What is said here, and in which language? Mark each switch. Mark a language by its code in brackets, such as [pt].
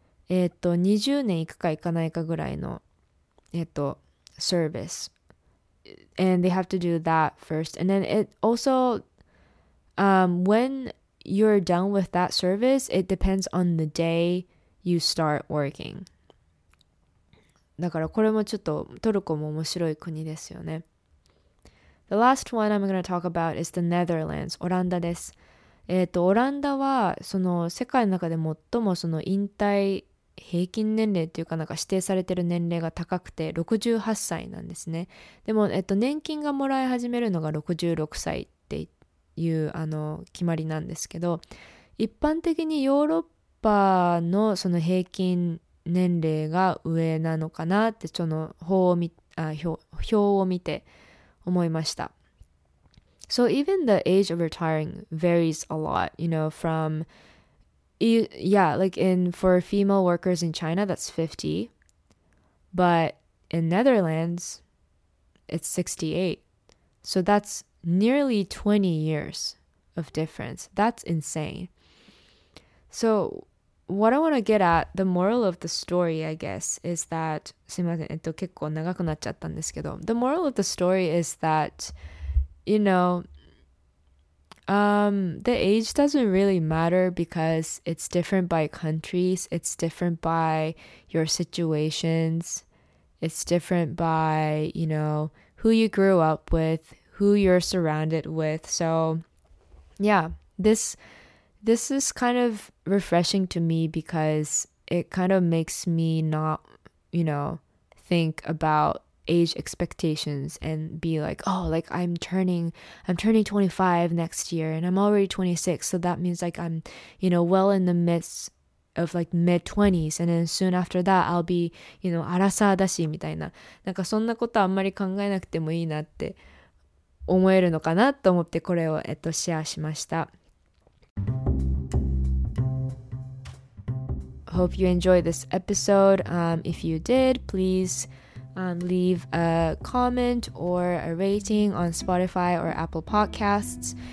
[ja] 20年行くか行かないかぐらいの、service. [en] And they have to do that first. And then it also, when you're done with that service, it depends on the day you start working. [ja] だからこれもちょっとトルコも面白い国ですよね。 [en] The last one I'm going to talk about is the Netherlands. [ja] オランダです。オランダはその世界の中で最もその引退平均年齢というかなんか指定されている年齢が高くて68歳なんですね。でも年金がもらい始めるのが66歳っていう決まりなんですけど、一般的にヨーロッパのその平均年齢が上なのかなってその表を見て思いました。 [en] So even the age of retiring varies a lot, you know, from, yeah, like in, for female workers in China, that's 50. But in Netherlands, it's 68. So that's nearly 20 years of difference. That's insane. So what I want to get at, the moral of the story, I guess, is that... [ja] すみません、結構長くなっちゃったんですけど。 [en] The moral of the story is that, you know, the age doesn't really matter because it's different by countries, it's different by your situations, it's different by, you know, who you grew up with, who you're surrounded with. So, yeah, This is kind of refreshing to me because it kind of makes me not, you know, think about age expectations and be like, oh, like I'm turning 25 next year and I'm already 26. So that means like I'm, you know, well in the midst of like mid-20s. And then soon after that, I'll be, you know, [ja] arasa da shi, みたいな。なんかそんなことあんまり考えなくてもいいなって思えるのかなと思ってこれをシェアしました。 [en] Hope you enjoyed this episode. If you did, please leave a comment or a rating on Spotify or Apple Podcasts.